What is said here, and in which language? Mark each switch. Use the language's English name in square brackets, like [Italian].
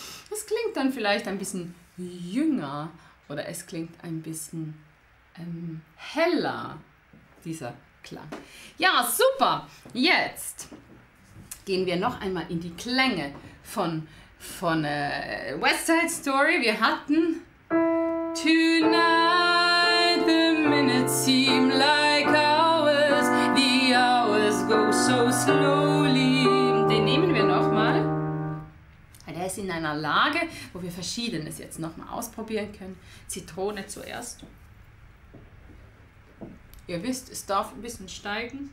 [German] Das klingt dann vielleicht ein bisschen jünger oder es klingt ein bisschen heller. Dieser Klang. Ja, super! Jetzt gehen wir noch einmal in die Klänge von West Side Story. Wir hatten [English] Tonight the minutes seem like hours, the hours go so slowly. [German] Den nehmen wir nochmal. Der ist in einer Lage, wo wir Verschiedenes jetzt nochmal ausprobieren können. Zitrone zuerst. Ihr wisst, es darf ein bisschen steigen.